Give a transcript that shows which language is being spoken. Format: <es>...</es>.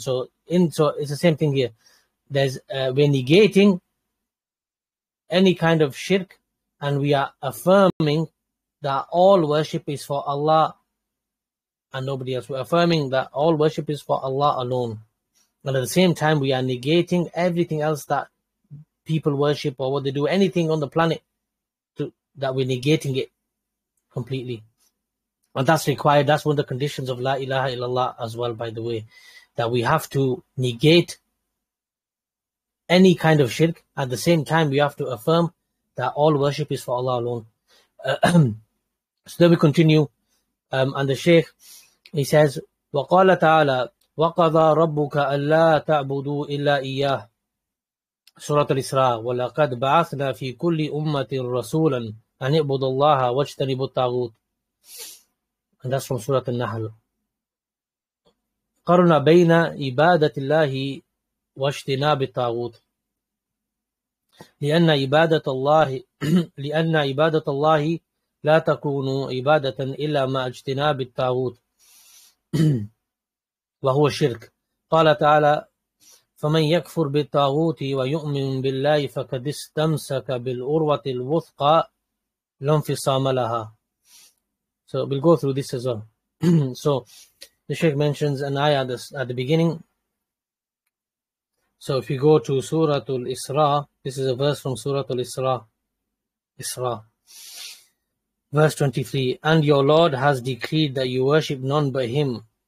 <en>So it's the same thing here. We're negating any kind of shirk, and we are affirming that all worship is for Allah and nobody else. We're affirming that all worship is for Allah alone, and at the same time, we are negating everything else that people worship or what they do, anything on the planet, that we're negating it completely. And that's required. That's one of the conditions of La ilaha illallah as well, by the way, that we have to negate any kind of shirk. At the same time, we have to affirm that all worship is for Allah alone. So then we continue. And the Shaykh, he says,</en> <ar>وَقَالَ تَعَالَى وَقَضَى رَبُّكَ أَلَّا تَعْبُدُوا إِلَّا إِيَّهِ Surah Al-Isra, وَلَقَدْ بَعَثْنَا فِي كُلِّ أُمَّةٍ رَسُولًا أَنْ اِعْبُدُ اللَّهَ وَاجْتَنِبُوا الطَّاغُوتِ.</ar> <en>And that's from Surah Al-Nahl.</en> <ar>قرن بين عبادة الله واجتناب الطاغوت. لأن عبادة الله لأن عبادة الله لا تكون عبادة إلا مع اجتناب الطاغوت وهو الشرك. قال تعالى: فمن يكفر بالطاغوت ويؤمن بالله فقد استمسك بالعروة الوثقى لا انفصام لها.</ar> <en>So we'll go through this as well. So the Shaykh mentions an ayah at the beginning. So if you go to Surah Al-Isra, this is a verse from Surah Al-Isra, verse 23, and your Lord has decreed that you worship none but Him.</en>